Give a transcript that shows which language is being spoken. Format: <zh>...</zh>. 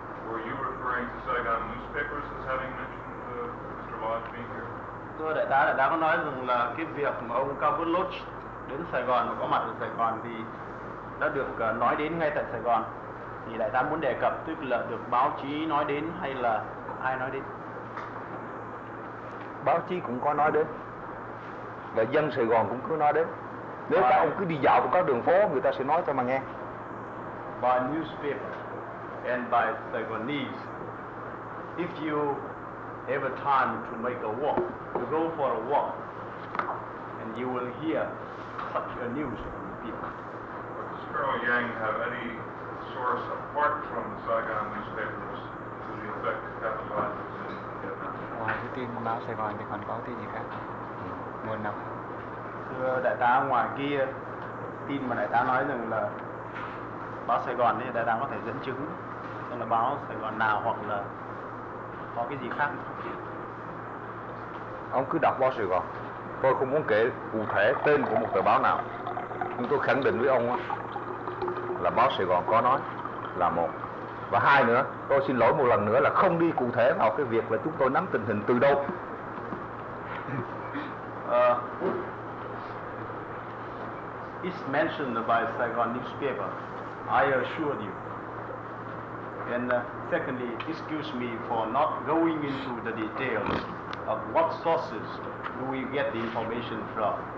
<en>Were you referring to Saigon newspapers as having mentioned Mr. Lodge being here?</en> <vi>Thưa đại tá có nói rằng là cái việc mà ông Cabot Lodge đến Sài Gòn và có mặt ở Sài Gòn thì đã được nói đến ngay tại Sài Gòn. Thì đại tá muốn đề cập, tức là được báo chí nói đến hay là ai nói đến? Báo chí cũng có nói đến, và dân Sài Gòn cũng cứ nói đến. Nếu các ông cứ đi dạo các đường phố, người ta sẽ nói cho mà nghe.</vi> <en>By newspaper and by Saigonese, if you have a time to make a walk, to go for a walk, and you will hear such a news from the people. But does Colonel Yang have any source apart from the Saigon newspapers to the effect of Cabot Lodge?</en> <vi>Ngoài cái tin báo Sài Gòn thì còn có tin gì khác, nguồn nào khác? Thưa đại tá, ngoài kia tin mà đại tá nói rằng là báo Sài Gòn thì đại tá có thể dẫn chứng xem là báo Sài Gòn nào hoặc là có cái gì khác. Ông cứ đọc báo Sài Gòn, tôi không muốn kể cụ thể tên của một tờ báo nào, nhưng tôi khẳng định với ông là báo Sài Gòn có nói là một. Và hai nữa, tôi xin lỗi một lần nữa là không đi cụ thể vào cái việc là chúng tôi nắm tình hình từ đâu.</vi> <en>It's mentioned by Saigon newspaper, I assure you. And secondly, excuse me for not going into the details of what sources do we get the information from.</en>